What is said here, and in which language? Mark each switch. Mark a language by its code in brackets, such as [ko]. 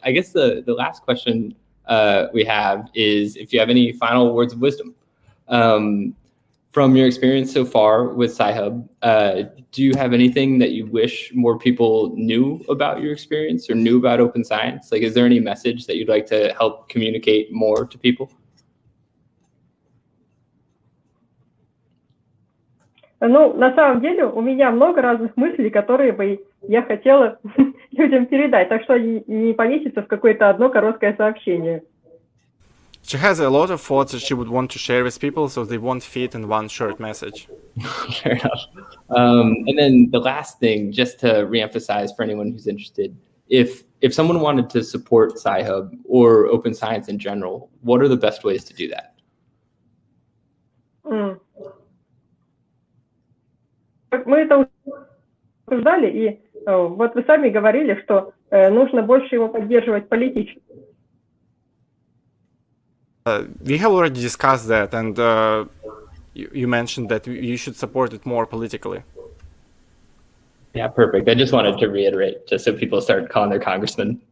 [en] I guess the last question we have is if you have any final words of wisdom from your experience so far with Sci-Hub. Do you have anything that you wish more people knew about your experience or knew about open science? Like, is there any message that you'd like to help communicate more to people? [ru] Ну, на самом деле, у меня много разных мыслей, которые бы я хотела людям передать, так что не поместится в какое-то одно короткое сообщение. [en] She has a lot of thoughts that she would want to share with people, so they won't fit in one short message. Fair enough. And then the last thing, just to reemphasize for anyone who's interested, if someone wanted to support Sci-Hub or open science in general, what are the best ways to do that? [ru] Мы это обсуждали, и вот вы сами говорили, что нужно больше его поддерживать политически. [en] We have already discussed that, and you mentioned that you should support it more politically. Yeah, perfect. I just wanted to reiterate, just so people start calling their congressmen.